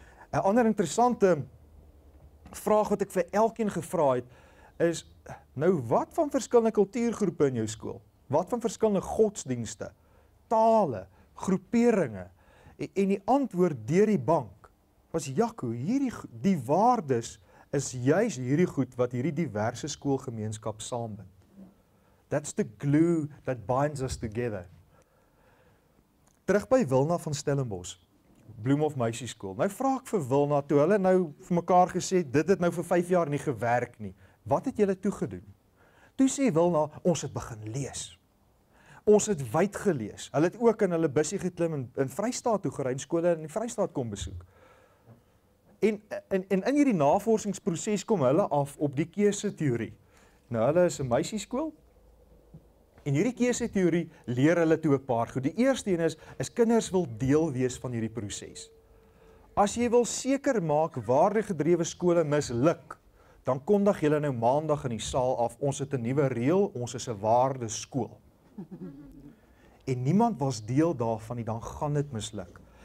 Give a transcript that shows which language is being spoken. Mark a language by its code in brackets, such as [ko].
[af] 'N ander interessante vraag wat ek vir elkeen gevra het is nou wat van verskillende kultuurgroepe in jou skool? Wat van verskillende godsdienste, tale, groeperinge? En die antwoord deur die bank was Jaco, hierdie die waardes is juist hierdie goed wat hierdie diverse skoolgemeenskap saambind. [en] That's the glue that binds us together. [af] Terug by Wilna van Stellenbosch. Bloemhof Meisieskool. Nou vraag ik voor Wilna, toe hulle nou vir mekaar gesê, dit het nou voor 5 jaar niet gewerk nie. Wat het julle toegedoen? Toe sê Wilna, ons het begin lees. Ons het wyd gelees. Hulle het ook in hulle busje geklim in Vrystaat toe gery, skole in die Vrystaat kom besoek. En in hierdie navorsingsproses kom hulle af op die keuse-teorie. Nou hulle is 'n meisieskool. En hierdie keuse-teorie leer hulle toe 'n paar goed. Die eerste een is kinders wil deel wees van hierdie proses. As jy wil seker maak waardegedrewe skole misluk, dan kondig jy nou maandag in die saal af, ons het 'n nuwe reël, ons is 'n waardeskool. En niemand was deel daarvan nie, dan gaan dit misluk.